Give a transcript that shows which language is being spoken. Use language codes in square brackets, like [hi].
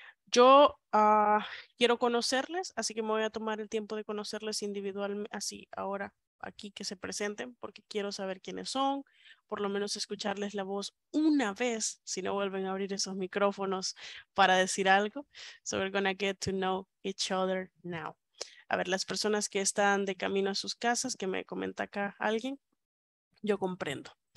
[es] Yo quiero conocerles, así que me voy a tomar el tiempo de conocerles individualmente, así ahora aquí que se presenten, porque quiero saber quiénes son, por lo menos escucharles la voz una vez, si no vuelven a abrir esos micrófonos para decir algo. [en] So we're gonna get to know each other now. [es] A ver, las personas que están de camino a sus casas, que me comenta acá alguien, yo comprendo.